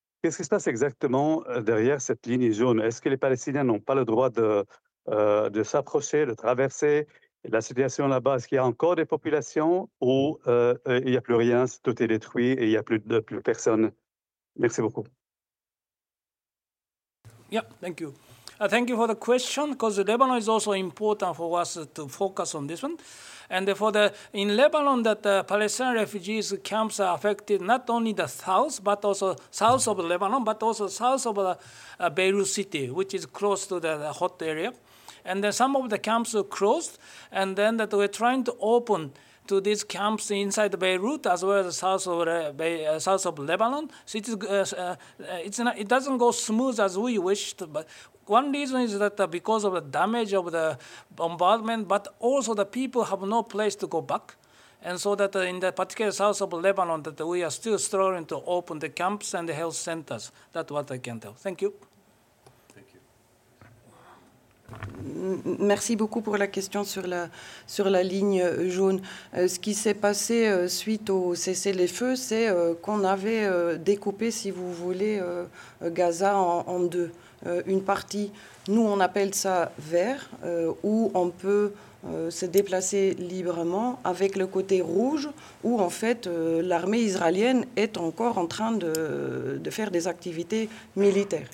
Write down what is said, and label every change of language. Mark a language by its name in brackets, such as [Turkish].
[French] Qu'est-ce qui se passe exactement derrière cette ligne jaune? Est-ce que les Palestiniens n'ont pas le droit de s'approcher, de traverser la situation là-bas? Est-ce qu'il y a encore des populations ou il n'y a plus rien, tout est détruit et il n'y a plus personne? Merci beaucoup. [English] Yeah, thank you. Thank you for the question, because Lebanon is also important for us to focus on this one. And for the in Lebanon, that Palestinian refugees camps are affected not only the south, but also south of Lebanon, but also south of Beirut city, which is close to the hot area. And then some of the camps are closed, and then that we're trying to open to these camps inside Beirut as well as south of Lebanon. So it doesn't go smooth as we wished, but one reason is that because of the damage of the bombardment, but also the people have no place to go back. And so that in the particular south of Lebanon, that we are still struggling to open the camps and the health centers. That's what I can tell. Thank you. [French] Merci beaucoup pour la question sur la ligne jaune. Ce qui s'est passé suite au cessez-le-feu, c'est qu'on avait découpé, si vous voulez, Gaza en deux. Une partie, nous on appelle ça vert, où on peut se déplacer librement, avec le côté rouge, où en fait l'armée israélienne est encore en train de faire des activités militaires.